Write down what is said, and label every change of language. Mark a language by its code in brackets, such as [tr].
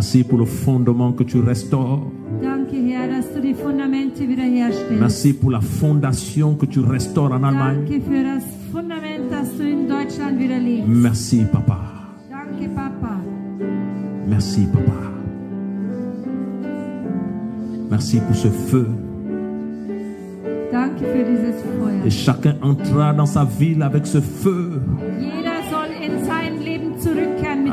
[fr] Pour le fondement que tu restaures. [de] Danke, Herr, dass du die Fondamente wiederherstellst. [fr] Merci pour la fondation que tu restaures en Allemagne. [de] Danke für das Fundament, das du in Deutschland wiederlegst. [fr] Merci, Papa. [de] Danke, Papa. [fr] Merci, Papa. Merci pour ce feu. [de] Danke für dieses Feuer. [fr] Et chacun entrera dans sa ville avec ce feu. [de] Jeder soll in sein Leben zurückkehren mit